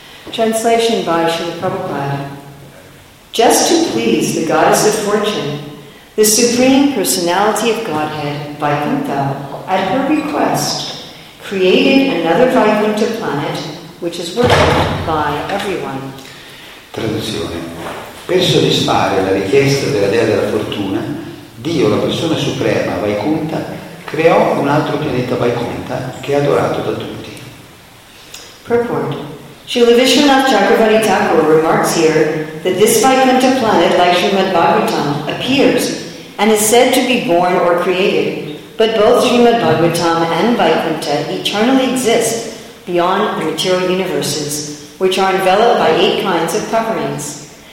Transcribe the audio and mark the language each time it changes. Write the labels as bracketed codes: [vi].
[en] Translation by Srila Prabhupada. Just to please the goddess of fortune, the Supreme Personality of Godhead, Vaikunta, at her request, created another Vaikunta planet, which is worshipped by everyone. [it] Traduzione. Per soddisfare la richiesta della Dea della Fortuna, Dio, la persona suprema, Vaikunta, creò un altro pianeta Vaikunta che è adorato da tutti. [en] Purport. Srila Vishwanath Chakravarti Thakur remarks here that this Vaikuntha planet, like Srimad Bhagavatam, appears and is said to be born or created, but both Srimad Bhagavatam and Vaikuntha eternally exist beyond the material universes, which are enveloped by eight kinds of coverings.